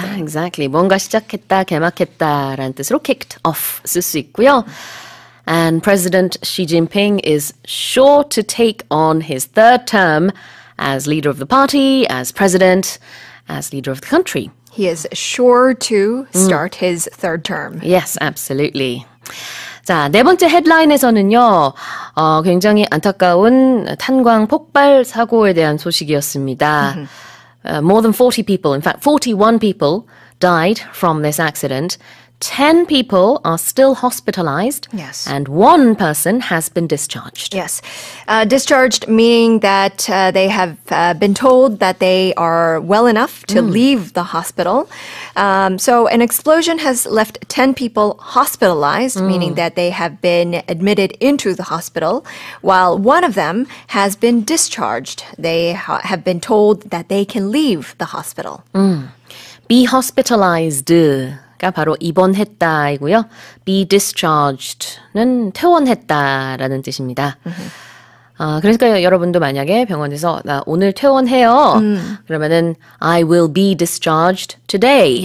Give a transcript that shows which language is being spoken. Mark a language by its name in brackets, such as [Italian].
[English] Yeah, exactly. [Korean] 뭔가 시작했다, 개막했다라는 뜻으로 kicked off 쓸 수 있고요. [English] And President Xi Jinping is sure to take on his third term as leader of the party, as president, as leader of the country. He is sure to start his third term. Yes, absolutely. [Korean] 자, 네 번째 헤드라인에서는요, 굉장히 안타까운 탄광 폭발 사고에 대한 소식이었습니다. [English] More than 40 people, in fact, 41 people died from this accident. 10 people are still hospitalized. Yes. And one person has been discharged. Yes. Discharged meaning that they have been told that they are well enough to leave the hospital. So an explosion has left 10 people hospitalized, meaning that they have been admitted into the hospital, while one of them has been discharged. They have been told that they can leave the hospital. Be hospitalized. [Korean] 가 바로 입원했다이고요. Be discharged는 퇴원했다라는 뜻입니다. 그러니까 여러분도 만약에 병원에서 나 오늘 퇴원해요. 그러면은 [English] I will be discharged today.